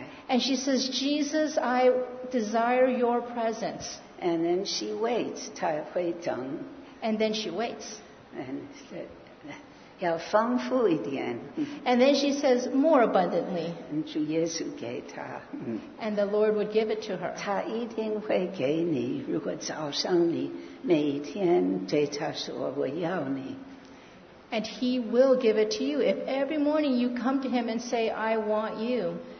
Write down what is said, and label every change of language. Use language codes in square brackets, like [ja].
[en] and she says, Jesus, I desire your presence. And then she waits. [zh] 她会等, [en] and then she waits. And said, [zh] 要丰富一点, [en] and then she says, more abundantly. [zh] 主耶稣给她, [en] and the Lord would give it to her. [zh] 她一定会给你, 如果早上你, 每天对他说我要你, [en] and He will give it to you. If every morning you come to Him and say, I want you,